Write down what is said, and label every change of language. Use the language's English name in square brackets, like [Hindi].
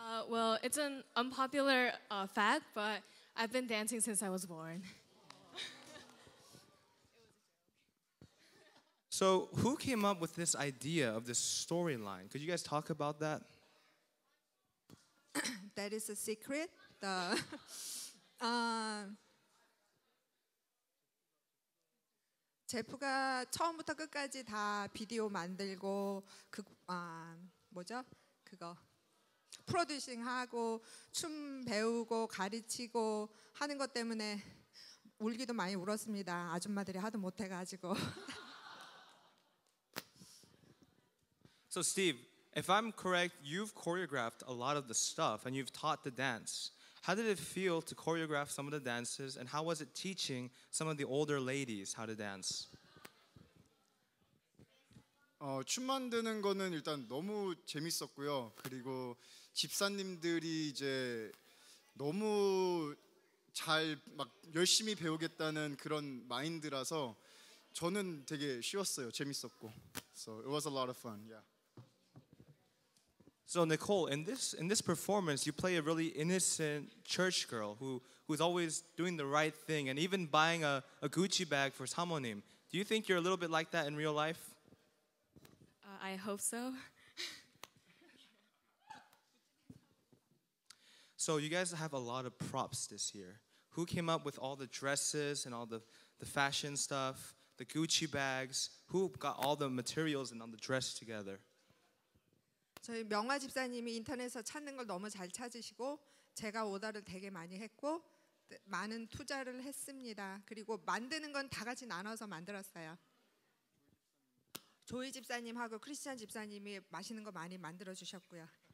[English] Well, it's an unpopular fact, but I've been dancing since I was born. So who came up with this idea of this storyline? Could you guys talk about that? That is a secret. [Korean] Jeff가 처음부터 끝까지 다 비디오 만들고 그 뭐죠? 그거 프로듀싱 하고 춤 배우고 가르치고 하는 것 때문에 울기도 많이 울었습니다. 아줌마들이 하도 못해 가지고. [English] So Steve, if I'm correct, you've choreographed a lot of the stuff and you've taught the dance. How did it feel to choreograph some of the dances and how was it teaching some of the older ladies how to dance? [Korean] 춤 만드는 거는 일단 너무 재밌었고요. 그리고 집사님들이 이제 너무 잘 막 열심히 배우겠다는 그런 마인드라서 저는 되게 쉬웠어요. 재밌었고. [English] So it was a lot of fun. Yeah. So Nicole, in this performance, you play a really innocent church girl who's always doing the right thing and even buying a Gucci bag for Samonim. Do you think you're a little bit like that in real life? I hope so. So you guys have a lot of props this year. Who came up with all the dresses and all the fashion stuff, the Gucci bags? Who got all the materials and all the dress together? [Korean] 저희 명화 집사님이 인터넷에서 찾는 걸 너무 잘 찾으시고 제가 오더를 되게 많이 했고 많은 투자를 했습니다. 그리고 만드는 건 다 같이 나눠서 만들었어요. 조이 집사님하고 크리스찬 집사님이 맛있는 거 많이 만들어 주셨고요.